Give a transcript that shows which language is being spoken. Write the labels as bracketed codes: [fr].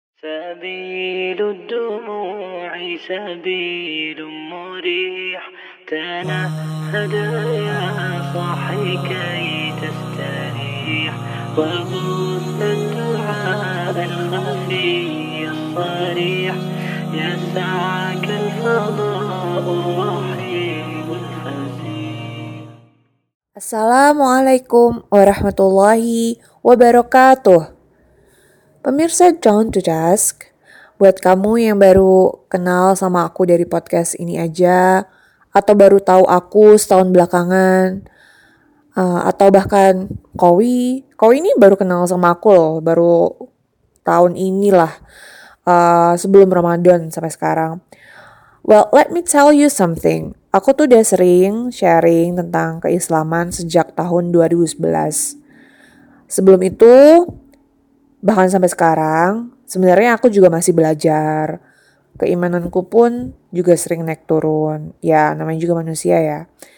[ar] سبيل الدموع سبيل مريح، تنهد يا صاحي كي تستريح، وغث الدعاء الخفي الصريح، يسعك الفضاء الرحيم الفزيح. السلام عليكم ورحمة الله وبركاته. [id] Pemirsa Jangan To Task, buat kamu yang baru kenal sama aku dari podcast ini aja, atau baru tahu aku setahun belakangan, atau bahkan Kowi ini baru kenal sama aku loh, baru tahun inilah, sebelum Ramadan sampai sekarang. [en] Well, let me tell you something. [id] Aku tuh udah sering sharing tentang keislaman sejak tahun 2011. Sebelum itu, bahkan sampai sekarang, sebenarnya aku juga masih belajar. Keimananku pun juga sering naik turun. Ya, namanya juga manusia ya.